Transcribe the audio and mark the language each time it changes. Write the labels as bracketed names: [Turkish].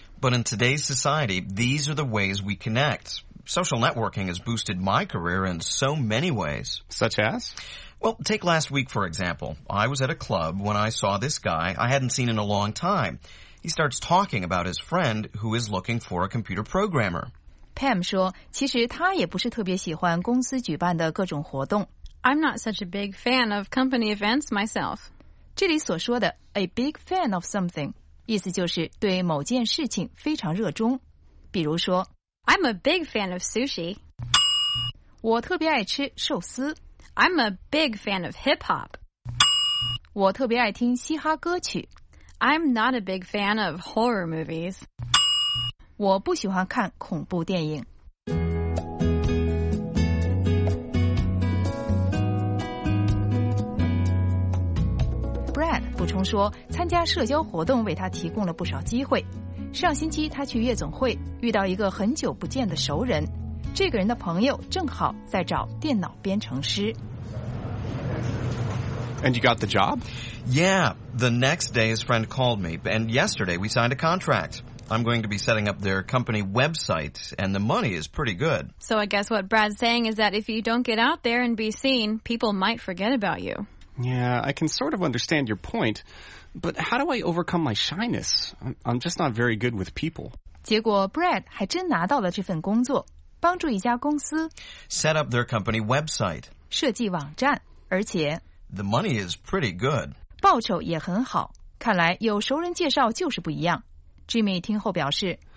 [English] But in today's society, these are the ways we connect. Social networking has boosted my career in so many ways. Such as? Well, take last week, for example. I was at a club when I saw this guy I hadn't seen in a long time. He starts talking about his friend who is looking for a computer programmer. [Chinese] Pam 说，其实他也不是特别喜欢公司举办的各种活动。 [English] I'm not such a big fan of company events myself. [Chinese] 这里所说的 [English] a big fan of something， [Chinese] 意思就是对某件事情非常热衷。比如说 [English] ，I'm a big fan of sushi. [Chinese] 我特别爱吃寿司。 [English] I'm a big fan of hip hop. [Chinese] 我特别爱听嘻哈歌曲。 [English] I'm not a big fan of horror movies. [Chinese] 我不喜欢看恐怖电影。 Brad 补充说，参加社交活动为他提供了不少机会。上星期他去夜总会，遇到一个很久不见的熟人，这个人的朋友正好在找电脑编程师。 [English] And you got the job? Yeah, the next day his friend called me, and yesterday we signed a contract. I'm going to be setting up their company website, and the money is pretty good. So I guess what Brad's saying is that if you don't get out there and be seen, people might forget about you. Yeah, I can sort of understand your point, but how do I overcome my shyness? I'm just not very good with people. [Chinese] 结果 Brad 还真拿到了这份工作，帮助一家公司。 [English] Set up their company website. [Chinese] 设计网站，而且 [English] The money is pretty good. [Chinese] 报酬也很好，看来有熟人介绍就是不一样。 Jimmy 听后表示